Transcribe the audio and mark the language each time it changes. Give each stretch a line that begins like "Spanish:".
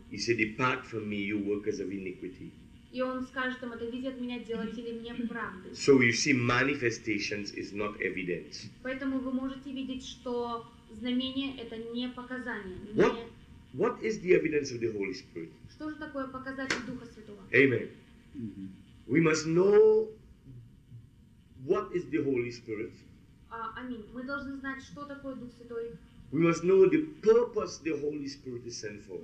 English: He said, depart from me, you workers of iniquity.
Russian: И он скажет им, отойдите от меня, делатели неправды.
English: So you see, manifestations is not evidence.
Russian: Поэтому вы можете видеть, что знамение это не показание.
English: What is the evidence of the Holy Spirit?
Russian: Что же такое показатель Духа Святого?
English: Amen. Mm-hmm. We must know what is the Holy Spirit.
Russian: Аминь. Мы должны знать, что такое Дух Святой.
English: We must know the purpose the Holy Spirit is sent for.